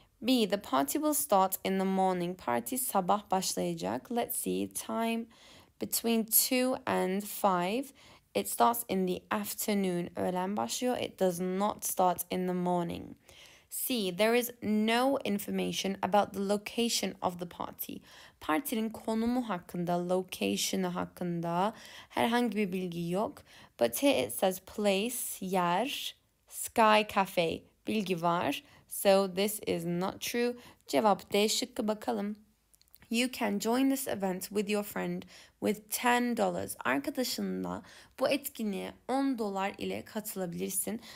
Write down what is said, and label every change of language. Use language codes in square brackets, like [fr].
[en] B. The party will start in the morning. [tr] Parti sabah başlayacak. [en] Let's see. Time between 2 and 5. It starts in the afternoon. [tr] Öğlen başlıyor. [en] It does not start in the morning. C. There is no information about the location of the party. [tr] Partinin konumu hakkında, location'ı hakkında herhangi bir bilgi yok. [en] But here it says place, yer, sky cafe. [tr] Bilgi var. [en] So this is not true. [tr] Cevap D şıkkı bakalım. [en] You can join this event with your friend with $10. [tr] Arkadaşınla bu etkinliğe $10 ile katılabilirsin.